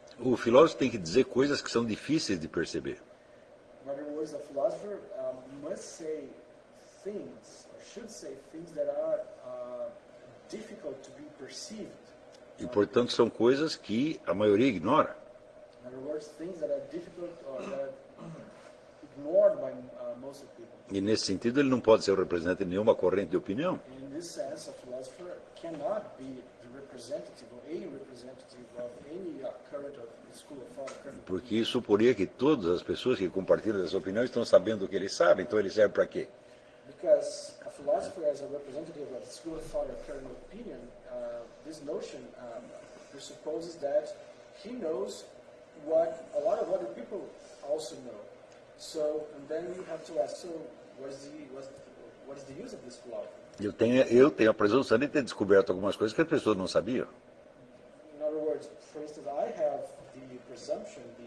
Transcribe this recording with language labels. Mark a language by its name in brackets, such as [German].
[Portuguese] O filósofo tem que dizer coisas que são difíceis de perceber. [English] In other words, a philosopher must say things, or should say things that are difficult to be perceived. [Portuguese] E portanto são coisas que a maioria ignora. [English] In other words, things that are difficult or that are ignored by most of people. [Portuguese] E nesse sentido ele não pode ser representante de nenhuma corrente de opinião. [English] In this sense, a philosopher cannot be the representative or a representative of any current of the school of thought. [Portuguese] Porque isso suporia que todas as pessoas que compartilham essa opinião estão sabendo o que ele sabe, então ele serve para quê? [English] Because a philosopher as a representative of the school of thought or current opinion, this notion presupposes that he knows what a lot of other people also know. So, and then you have to ask, so what is the use of this philosophy? [Portuguese] Eu tenho a presunção de ter descoberto algumas coisas que as pessoas não sabiam. [English] In other words, for instance, I have the presumption,